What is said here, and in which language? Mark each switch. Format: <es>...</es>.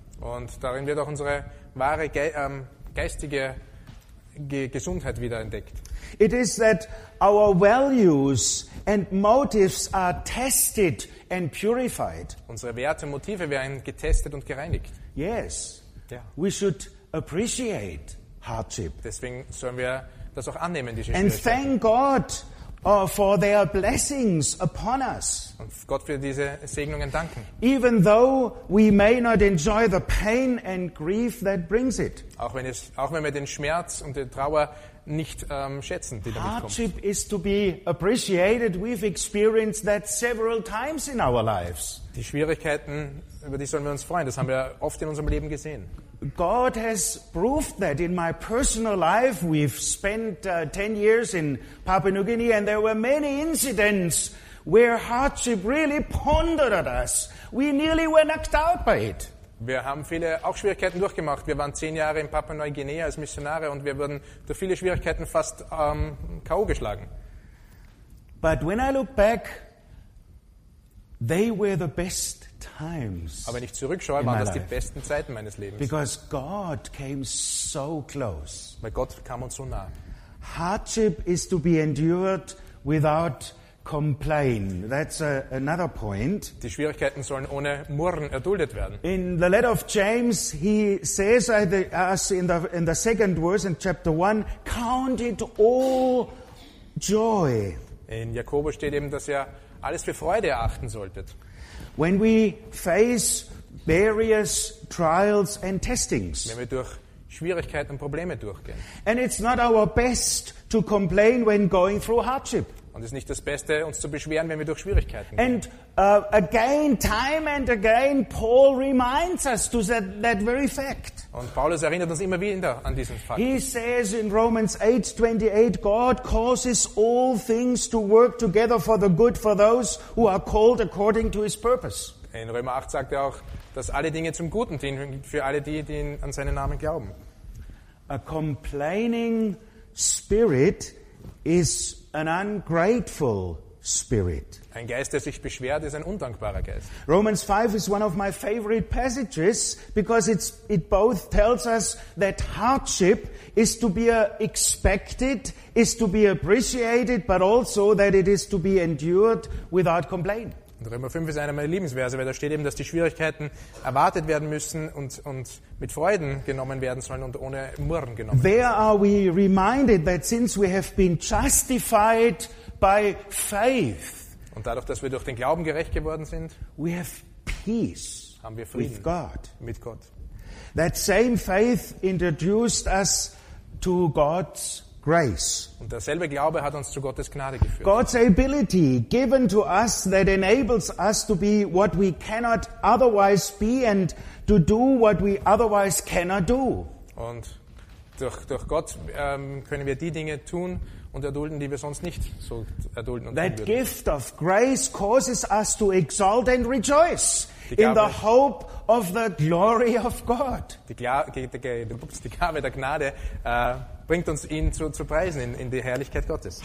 <de>Und darin wird auch unsere wahre geistige Gesundheit wieder entdeckt.</de> <en>It is that our values and motives are tested and purified.</en> <de>Unsere Werte und Motive werden getestet und gereinigt.</de> <en>Yes.</en> <de>Ja.</de> <en>We should appreciate hardship.</en> <de>Deswegen sollen wir das auch annehmen, diese Schwierigkeiten.</de> <en>And thank God for their blessings upon us.</en> <de>Und Gott für diese Segnungen danken.</de> <en>Even though we may not enjoy the pain and grief that brings it.</en> <de>Auch wenn wir den Schmerz und die Trauer nicht schätzen, die damit kommt.</de> <en>Hardship is to be appreciated. We've experienced that several times in our lives.</en> <de>Die Schwierigkeiten, über die sollen wir uns freuen. Das haben wir oft in unserem Leben gesehen.</de> <en>God has proved that in my personal life. We've spent 10 years in Papua New Guinea, and there were many incidents where hardship really pondered at us. We nearly were knocked out by it.</en> <de>Wir haben viele auch Schwierigkeiten durchgemacht. Wir waren 10 Jahre in Papua Neuguinea als Missionare und wir wurden durch viele Schwierigkeiten fast K.O. geschlagen.</de> <en>But when I look back, they were the best times.</en> <de>Aber wenn ich zurückschaue, waren das die besten Zeiten meines Lebens.</de> <en>Because God came so close.</en> <de>Weil Gott kam uns so nah.</de> <en>Hardship is to be endured without complain. That's another point.</en> <de>Die Schwierigkeiten sollen ohne Murren erduldet werden.</de> <en>In the letter of James, he says us in the second verse in chapter 1, count it all joy.</en> <de>In Jakobus steht eben, dass ihr alles für Freude erachten solltet.</de> <en>When we face various trials and testings.</en> <de>Wenn wir durch Schwierigkeiten und Probleme durchgehen.</de> <en>And it's not our best to complain when going through hardship.</en> <de>Und es ist nicht das Beste, uns zu beschweren, wenn wir durch Schwierigkeiten gehen.</de> <en>And again, time and again, Paul reminds us to that very fact.</en> <de>Und Paulus erinnert uns immer wieder an diesen Fakt.</de> <en>He says in Romans 8:28, God causes all things to work together for the good for those who are called according to his purpose.</en> <de>In Römer 8 sagt er auch, dass alle Dinge zum Guten dienen für alle die an seinen Namen glauben.</de> <en>A complaining spirit is an ungrateful spirit.</en> <de>Ein Geist, der sich beschwert, ist ein undankbarer Geist.</de> <en>Romans 5 is one of my favorite passages because it both tells us that hardship is to be expected, is to be appreciated, but also that it is to be endured without complaint.</en> <de>Römer 5 ist einer meiner Lieblingsverse, weil da steht eben, dass die Schwierigkeiten erwartet werden müssen und mit Freuden genommen werden sollen und ohne Murren genommen werden.</de> <en>There are we reminded that since we have been justified by faith.</en> <de>Und dadurch, dass wir durch den Glauben gerecht geworden sind,</de> <en>we have peace,</en> <de>haben wir Frieden</de> <en>with God.</en> <de>Mit Gott.</de> <en>That same faith introduced us to God's grace.</en> <de>Und derselbe Glaube hat uns zu Gottes Gnade geführt.</de> <en>God's ability given to us that enables us to be what we cannot otherwise be and to do what we otherwise cannot do.</en> <de>Und durch Gott können wir die Dinge tun und erdulden, die wir sonst nicht so erdulden und</de> <en>that</en> <de>tun würden.</de> <en>Gift of grace causes us to exalt and rejoice. In the hope of the glory of God.</en> <de>Die Gabe der Gnade bringt uns ihn zu preisen in die Herrlichkeit Gottes.</de>